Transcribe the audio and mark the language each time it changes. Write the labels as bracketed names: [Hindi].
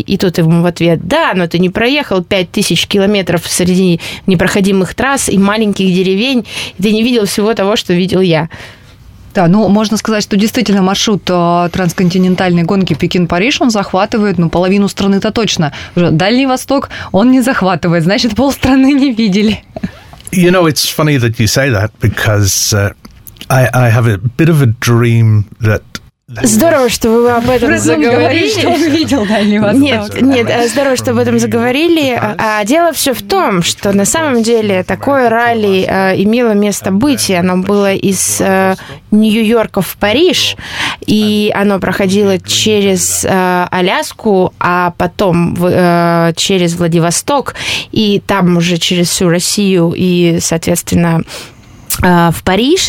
[Russian] И тот ему в ответ: «Да, но ты не проехал 5000 километров среди непроходимых трасс и маленьких деревень, и ты не видел всего того, что видел я». Да, ну, можно сказать, что действительно маршрут трансконтинентальной гонки Пекин-Париж, он захватывает, ну, половину страны-то точно. Дальний Восток он не захватывает, значит, полстраны не видели. [English] You know, it's funny that you say that, because I have a bit of a dream that [Russian] Здорово, что вы об этом заговорили. Что увидел Дальний Восток. Нет, здорово, что об этом заговорили. Дело все в том, что на самом деле такое ралли имело место быть, и оно было из Нью-Йорка в Париж, и оно проходило через Аляску, а потом через Владивосток, и там уже через всю Россию, и, соответственно, в Париж.